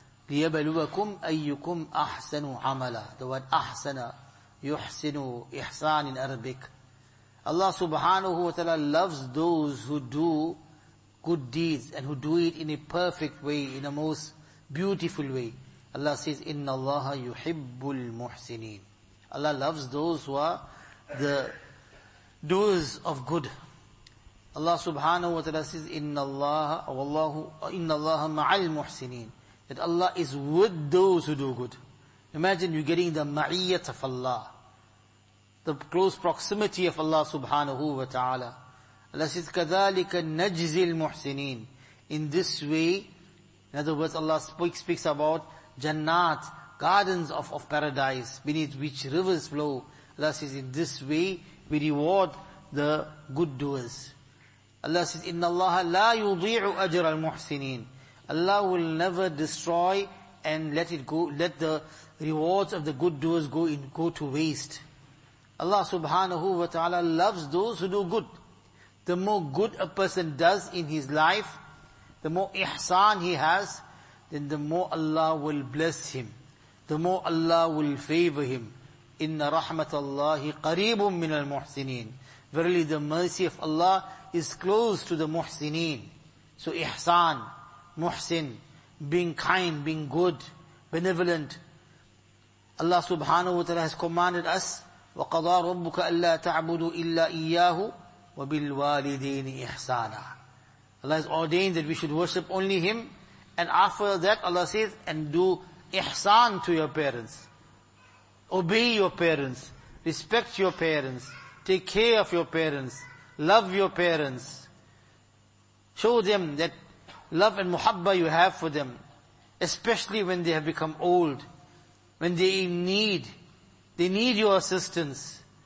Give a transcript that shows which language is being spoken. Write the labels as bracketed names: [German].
[Arabic] لِيَبَلُوَكُمْ أَيُّكُمْ أَحْسَنُ عَمَلًا. [English] The word أَحْسَنَ, يُحْسِنُ, إِحْسَان in Arabic. Allah subhanahu wa ta'ala loves those who do good deeds and who do it in a perfect way, in a most beautiful way. Allah says, [Arabic] إِنَّ اللَّهَ يُحِبُّ الْمُحْسِنِينَ. [English] Allah loves those who are the doers of good. [Arabic] Allah subhanahu wa ta'ala says, إِنَّ اللَّهَ مَعَ الْمُحْسِنِينَ. [English] That Allah is with those who do good. Imagine you getting the ma'iyyat of Allah, the close proximity of Allah subhanahu wa ta'ala. Allah says, [Arabic] كَذَلِكَ نَجْزِي الْمُحْسِنِينَ. [English] In this way, in other words, Allah speaks about jannat, gardens of paradise, beneath which rivers flow. Allah says, in this way, we reward the good doers. Allah says, [Arabic] إِنَّ اللَّهَ لَا يُضِيعُ أَجْرَ الْمُحْسِنِينَ. [English] Allah will never destroy and let it go, let the rewards of the good doers go to waste. Allah subhanahu wa ta'ala loves those who do good. The more good a person does in his life, the more ihsan he has, then the more Allah will bless him. The more Allah will favor him. [Arabic] Inna rahmatallahi qareebun min al-muhsineen. [English] Verily the mercy of Allah is close to the muhsineen. So ihsan, muhsin, being kind, being good, benevolent. Allah subhanahu wa ta'ala has commanded us, [Arabic] وَقَضَى رَبُّكَ أَلَّا تَعْبُدُوا إِلَّا إِيَّاهُ وَبِالْوَالِدِينِ إِحْسَانًا. [English] Allah has ordained that we should worship only Him, and after that Allah says, and do ihsan to your parents. Obey your parents, respect your parents, take care of your parents, love your parents, show them that love and muhabba you have for them, especially when they have become old, when they in need, they need your assistance.